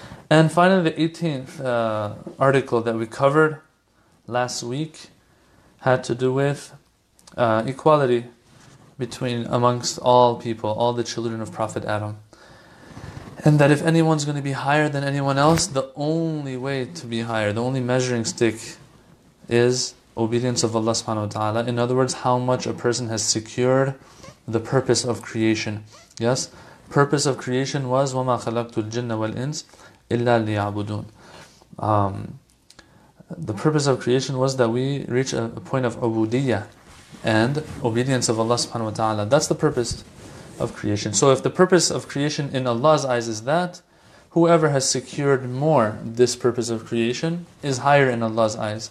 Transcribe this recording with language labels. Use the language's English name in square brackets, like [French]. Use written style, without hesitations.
[English] And finally, the 18th article that we covered last week had to do with equality between amongst all people, all the children of Prophet Adam. And that if anyone's going to be higher than anyone else, the only way to be higher, the only measuring stick is obedience of Allah subhanahu wa ta'ala. In other words, how much a person has secured the purpose of creation. Yes? Purpose of creation was [Arabic] وَمَا خَلَقْتُ الْجِنَّ وَالْإِنسِ إِلَّا لِيَعْبُدُونَ. [English] The purpose of creation was that we reach a point of ubudiyyah and obedience of Allah subhanahu wa ta'ala. That's the purpose of creation. So if the purpose of creation in Allah's eyes is that, whoever has secured more this purpose of creation is higher in Allah's eyes.